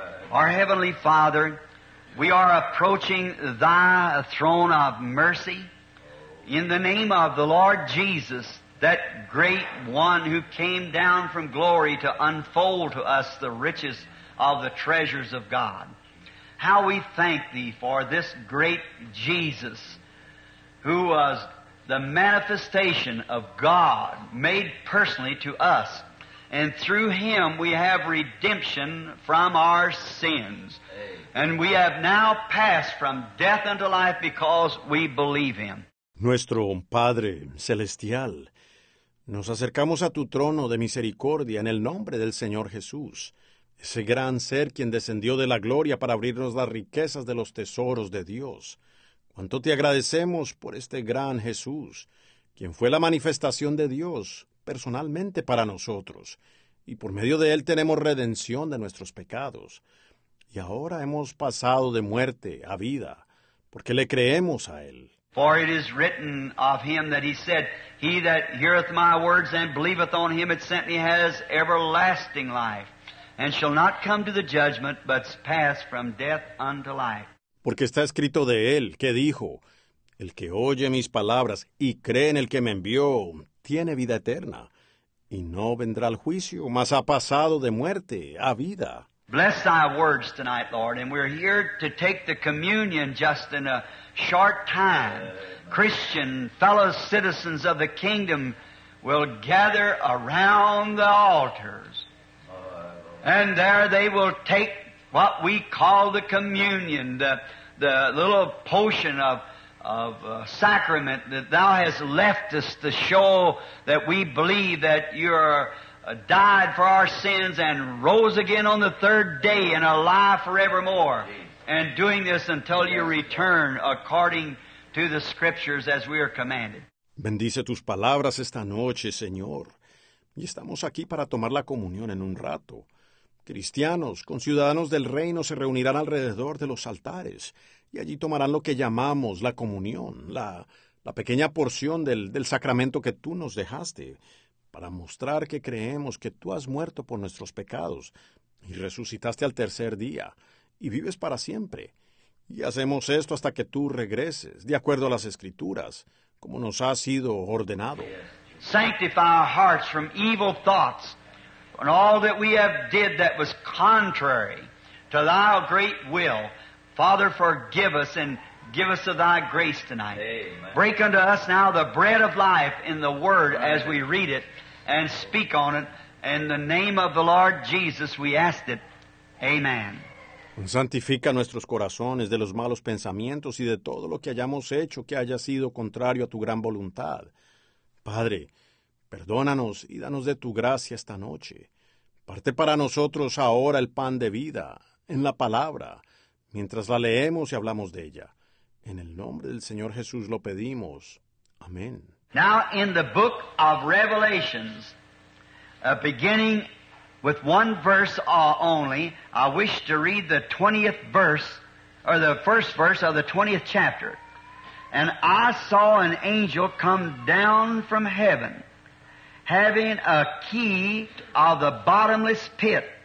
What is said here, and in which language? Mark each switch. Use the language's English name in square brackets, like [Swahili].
[English] Our Heavenly Father, we are approaching thy throne of mercy in the name of the Lord Jesus, that great one who came down from glory to unfold to us the riches of the treasures of God. How we thank thee for this great Jesus, who was the manifestation of God made personally to us. And through him we have redemption from our sins. And we have now passed from death unto life because we believe him. [Spanish] Nuestro Padre Celestial, nos acercamos a tu trono de misericordia en el nombre del Señor Jesús, ese gran ser quien descendió de la gloria para abrirnos las riquezas de los tesoros de Dios. Cuánto te agradecemos por este gran Jesús, quien fue la manifestación de Dios personalmente para nosotros, y por medio de él tenemos redención de nuestros pecados. Y ahora hemos pasado de muerte a vida, porque le creemos a él. [English] For it is written of him that he said, he that heareth my words and believeth on him that sent me has everlasting life, and shall not come to the judgment, but pass from death unto life. [Spanish] Porque está escrito de él, que dijo, el que oye mis palabras y cree en el que me envió, tiene vida eterna, y no vendrá al juicio, mas ha pasado de muerte a vida. [English] Bless thy words tonight, Lord, and we're here to take the communion just in a short time. Christian, fellow citizens of the kingdom will gather around the altars, and there they will take what we call the communion, the little potion of sacrament that thou hast left us to show that we believe that you are died for our sins and rose again on the third day and alive forevermore. And doing this until you return according to the scriptures as we are commanded. [Spanish] Bendice tus palabras esta noche, Señor. Y estamos aquí para tomar la comunión en un rato. Cristianos, conciudadanos del reino se reunirán alrededor de los altares y allí tomarán lo que llamamos la comunión, la pequeña porción del sacramento que tú nos dejaste para mostrar que creemos que tú has muerto por nuestros pecados y resucitaste al tercer día y vives para siempre. Y hacemos esto hasta que tú regreses, de acuerdo a las Escrituras, como nos ha sido ordenado. [English] Sanctify our hearts from evil thoughts. And all that we have did that was contrary to thy great will, Father, forgive us and give us of thy grace tonight. Amen. Break unto us now the bread of life in the word Amen. As we read it and speak on it. In the name of the Lord Jesus, we ask it. Amen. [Spanish] Santifica nuestros corazones de los malos pensamientos y de todo lo que hayamos hecho que haya sido contrario a tu gran voluntad. Padre, perdónanos y danos de tu gracia esta noche. Parte para nosotros ahora el pan de vida, en la palabra, mientras la leemos y hablamos de ella. En el nombre del Señor Jesús lo pedimos. Amén. [English] Now in the book of Revelations, beginning with one verse only, I wish to read the 20th verse, or the first verse of the 20th chapter. And I saw an angel come down from heaven, having a key of the bottomless pit,